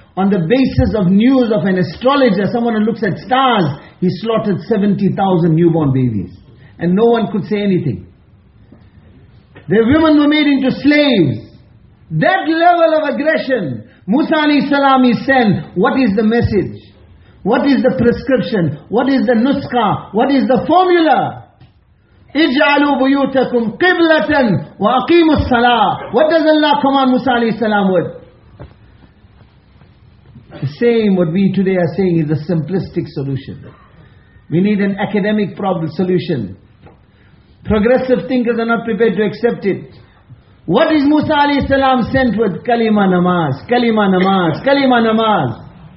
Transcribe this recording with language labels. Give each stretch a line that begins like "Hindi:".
English: On the basis of news of an astrologer, someone who looks at stars, he slaughtered 70,000 newborn babies. And no one could say anything. Their women were made into slaves. That level of aggression, Musa alayhi salam is sent. What is the message? What is the prescription? What is the nuskha? What is the formula?
Arabic: اجعلوا بيوتكم قبلة وأقيموا الصلاة.
English: What does Allah command Musa alayhi salam with? The same what we today are saying is a simplistic solution. We need an academic problem solution. Progressive thinkers are not prepared to accept it. What is Musa alayhi salam sent with? Kalima namaz, kalima namaz, kalima namaz.